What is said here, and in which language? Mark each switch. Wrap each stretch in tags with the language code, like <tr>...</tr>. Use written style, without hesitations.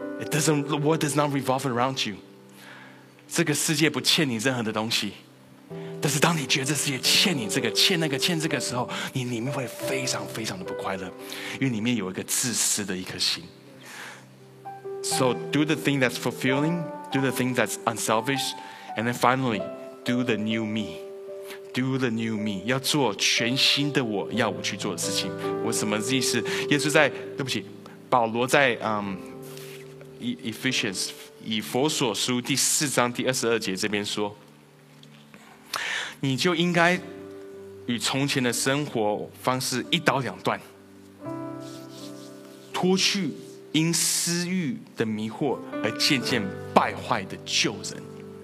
<en>The world does not revolve around you.</en> <zh>这个世界不欠你任何的东西，但是当你觉得这世界欠你这个欠那个欠这个时候，你里面会非常非常的不快乐，因为里面有一个自私的一颗心。</zh> <en>So do the thing that's fulfilling, do the thing that's unselfishAnd then finally, do the new me. Do the new me.</en> <zh>要做全新的我要我去做的事情。我什么意思？耶稣在，对不起，保罗在Ephesians 以弗所书第四章第二十二节这边说，你就应该与从前的生活方式一刀两断，脱去因私欲的迷惑而渐渐败坏的旧人。</zh>